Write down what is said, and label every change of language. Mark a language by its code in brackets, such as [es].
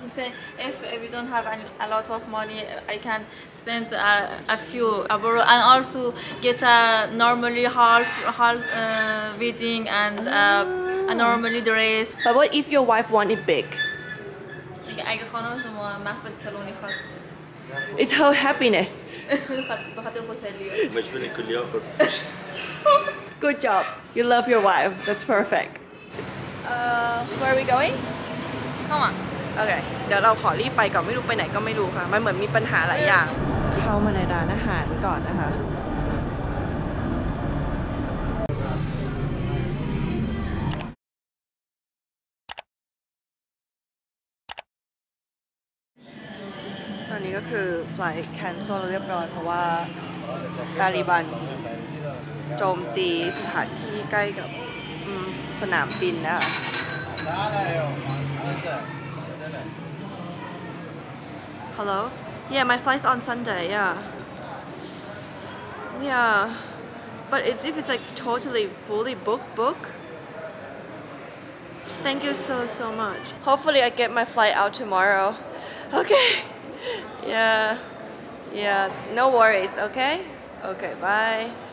[en] He said, if we don't have a lot of money, I can spend a few euro and also get a normally half wedding and a normally dress. But what if your wife want it big? [fa] اگه خانم شما محفل کلونی خواست. [en] It's her happiness. [fa] بخاطر خوشحالی. مجبور کلیا خورد. [en] Good job. You love your wife. That's perfect. Where are we going? Come on. Okay. [th] เดี๋ยวเราขอรีบไปก่อนไม่รู้ไปไหนก็ไม่รู้ค่ะมันเหมือนมีปัญหาหลายอย่าง เข้ามาในร้านอาหารก่อนนะคะ ตอนนี้ก็คือ [en] flight cancel [th] เรียบร้อยเพราะว่าตาลีบันโจมตีสถานที่ใกล้กับสนามบินนะคะ [en] Hello Yeah my flight's on Sunday Yeah Yeah But it's if it's like totally fully book Thank you so much Hopefully I get my flight out tomorrow Okay Yeah No worries Okay bye